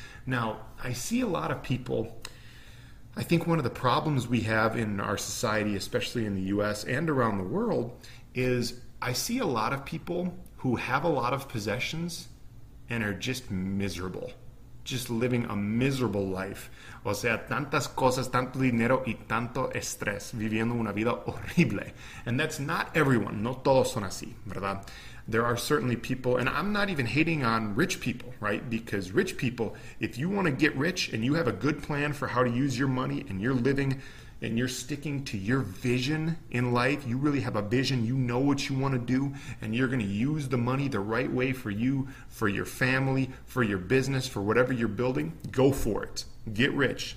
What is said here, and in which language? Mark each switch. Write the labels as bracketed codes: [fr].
[en] Now, I see a lot of people. I think one of the problems we have in our society, especially in the US and around the world, is I see a lot of people who have a lot of possessions and are just miserable, just living a miserable life. [es] O sea, tantas cosas, tanto dinero y tanto estrés, viviendo una vida horrible. [en] And that's not everyone. [es] No todos son así, ¿verdad? [en] There are certainly people, and I'm not even hating on rich people, right? Because rich people, if you want to get rich and you have a good plan for how to use your money and you're living and you're sticking to your vision in life, you really have a vision, you know what you want to do, and you're going to use the money the right way for you, for your family, for your business, for whatever you're building, go for it. Get rich.